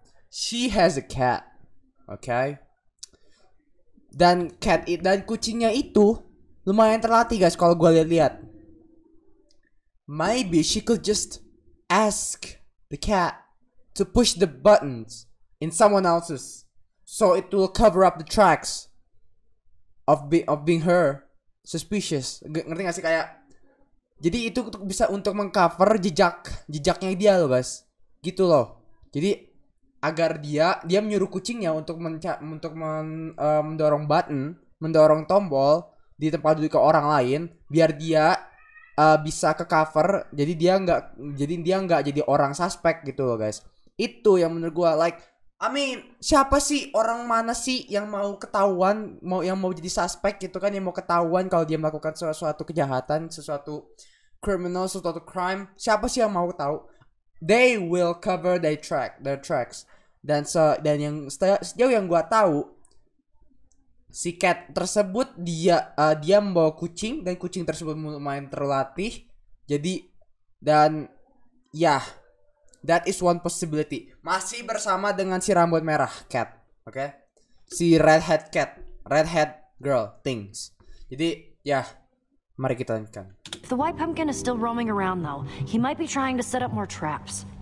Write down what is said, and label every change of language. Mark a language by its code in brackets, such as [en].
[en] She has a cat, okay? [id] Dan kucingnya itu lumayan terlatih, guys, kalau gue lihat-lihat. [en] Maybe she could just ask the cat to push the buttons in someone else's so it will cover up the tracks of being her suspicious. [id] Ngerti gak sih kayak, jadi itu bisa untuk mengcover jejaknya dia loh, guys. Gitu loh. Jadi agar dia menyuruh kucingnya mendorong tombol di tempat duduk ke orang lain biar dia bisa ke cover, jadi dia nggak jadi orang suspek gitu loh, guys. Itu yang menurut gue, like, I mean, siapa sih, orang mana sih yang mau ketahuan, yang mau jadi suspek gitu kan, yang mau ketahuan kalau dia melakukan sesuatu kejahatan, sesuatu crime, siapa sih yang mau tahu? [en] They will cover their tracks. [id] Dan yang sejauh yang gue tahu, si cat tersebut dia membawa kucing dan kucing tersebut lumayan terlatih. Jadi dan ya, yeah, [en] that is one possibility. [id] Masih bersama dengan si rambut merah cat, okay? Si redhead cat, redhead girl things. Jadi ya, yeah, mari kita lanjutkan. [en] The white pumpkin is still roaming around though. He might be trying to set up more traps.